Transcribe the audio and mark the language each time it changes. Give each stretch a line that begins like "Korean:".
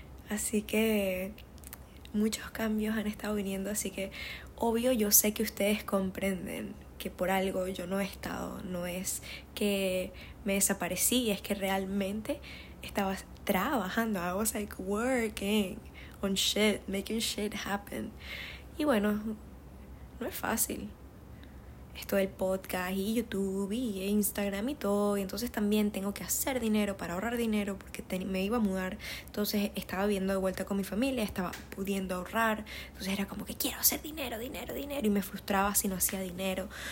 Spanish: Así que muchos cambios han estado viniendo, así que obvio yo sé que ustedes comprenden que por algo yo no he estado, no es que me desaparecí, es que realmente estaba trabajando.
English: I was like working on shit, making shit happen.
Spanish: Y bueno, no es fácil. Esto del podcast y YouTube y Instagram y todo. Y entonces también tengo que hacer dinero para ahorrar dinero porque me iba a mudar. Entonces estaba viendo de vuelta con mi familia, estaba pudiendo ahorrar. Entonces era como que quiero hacer dinero, dinero, dinero. Y me frustraba si no hacía dinero.